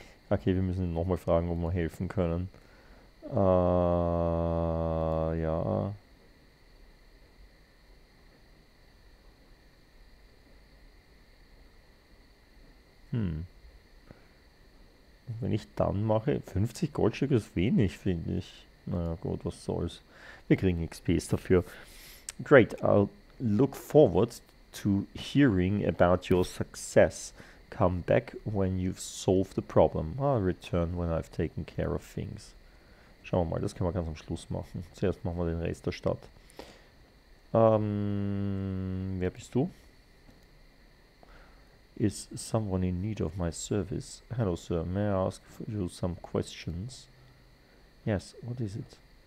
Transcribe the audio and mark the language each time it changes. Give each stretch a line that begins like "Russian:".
German: Okay, wir müssen nochmal fragen, ob wir helfen können. Ja. Wenn ich dann mache, 50 Goldstücke ist wenig, finde ich. Naja, gut, was soll's. Wir kriegen XPs dafür.
English: Great, I'll look forward to hearing about your success. Come back when you've solved the problem. I'll return when I've taken care of things.
German: Schauen wir mal, das können wir ganz am Schluss machen. Zuerst machen wir den Rest der Stadt. Wer bist du?
English: Is someone in need of my service? Hello, sir. May I ask you some questions? Yes, what is it?